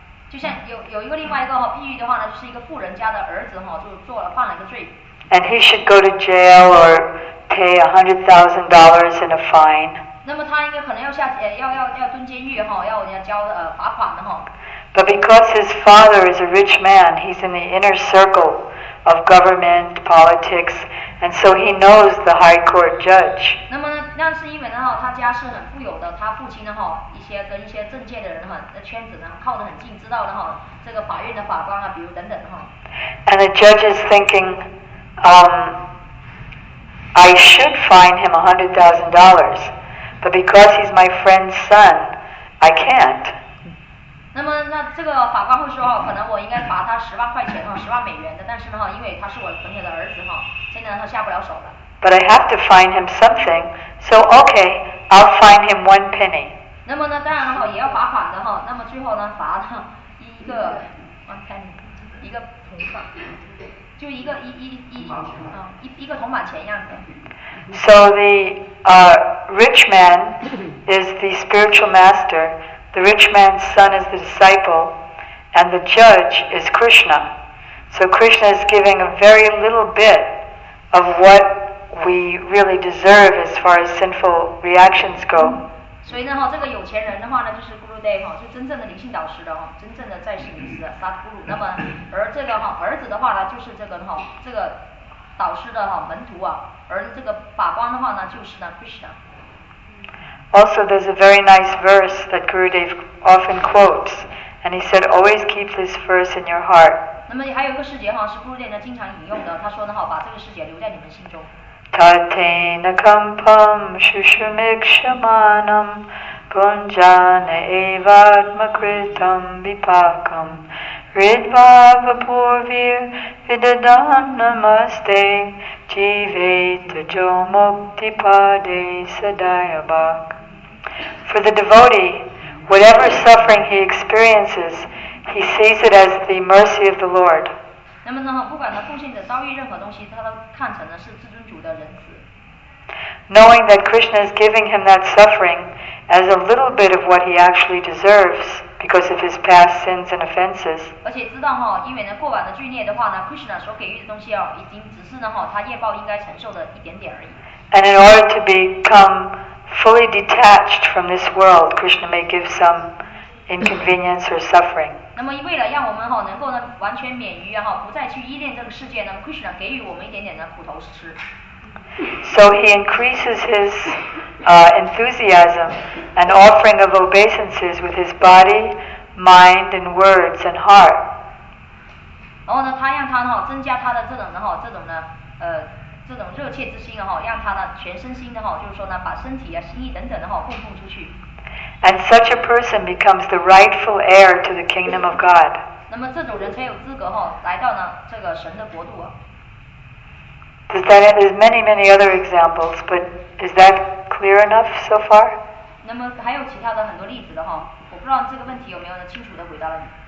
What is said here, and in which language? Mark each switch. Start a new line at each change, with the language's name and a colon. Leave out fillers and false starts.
Chinese: 就像有一个另外一个比喻的话呢，就是一个富人家的儿子哈，就做了犯了一个罪。
English: And he should go to jail or pay $100,000 in a fine.
Chinese: 那么他应该可能要下要蹲监狱哈，要交罚款的哈。
English: But because his father is a rich man, he's in the inner circle of government politics, and so he knows the high court judge.
Chinese: 那么那是因为呢哈，他家是很富有的，他父亲呢哈。跟一些政界的人哈，那圈子呢靠得很近，知道的哈，这个法院的法官啊，比如等等哈。
English: And the judge is thinking, I should fine him $100,000, but because he's my friend's son, I can't.
Chinese: 那么那这个法官会说哈，可能我应该罚他10万块钱哈，10万美元的，但是呢哈，因为他是我朋友的儿子哈，现在他下不了手了。
English: But I have to fine him something, so okay, I'll fine him 1 penny.
Chinese: 那么呢，当然哈，也要罚款的哈。那么最后呢，罚了一个
English: one penny，
Chinese: 一个铜板，就一个铜板钱样子。
English: So the rich man is the spiritual master. The rich man's son is the disciple, and the judge is Krishna. So Krishna is giving a very little bit of what we really deserve as far as sinful reactions go.
Chinese: 所以呢哈，这个有钱人的话呢，就是 Guru Dev 哈，就真正的灵性导师的哈，真正的在世名师 Sadguru。那么而这个哈儿子的话呢，就是这个哈这个导师的哈门徒啊，而这个法官的话呢，就是呢 Krishna。
English: Also, there's a very nice verse that Guru Dev often quotes, and he said, "Always keep this verse in your heart."
Chinese: 那么还有一个世界哈，是 Guru Dev 呢经常引用的，他说呢哈，把这个世界留在你们心中。
Sanskrit: Tatena kampam shushumikshamanam punjana evatmakritam vipakam ridvavapurvir vidadam namaste jiveta jomuktipade sadayabhak.
English: For the devotee, whatever suffering he experiences, he sees it as the mercy of the Lord.
Chinese: 那么呢，不管他奉献者遭遇任何东西，他都看成了是至尊主的仁慈。
English: Knowing that Krishna is giving him that suffering as a little bit of what he actually deserves because of his past sins and offenses.
Chinese: 而且知道哈，因为呢过往的罪孽的话呢 ，Krishna 所给予的东西哦，已经只是呢哈他业报应该承受的一点点而已。
English: And in order to become fully detached from this world, Krishna may give some inconvenience or suffering.
Chinese: 那么为了让我们哈能够呢完全免于哈不再去依恋这个世界呢 ，Krishna 给予我们一点点的苦头吃。
English: So he increases his enthusiasm and offering of obeisances with his body, mind, and words and heart.
Chinese: 然后呢，他让他哈增加他的这种的哈这种呢这种热切之心哈，让他呢全身心的哈，就是说呢把身体啊、心意等等的哈供奉出去。
English: And such a person becomes the rightful heir to the kingdom of God.
Chinese: 那么这种人才有资格哈，来到呢这个神的国度啊。
English: Does that have, there's many, many other examples, but is that clear enough so far?
Chinese: 那么还有其他的很多例子的哈，我不知道这个问题有没有呢清楚的回答了你。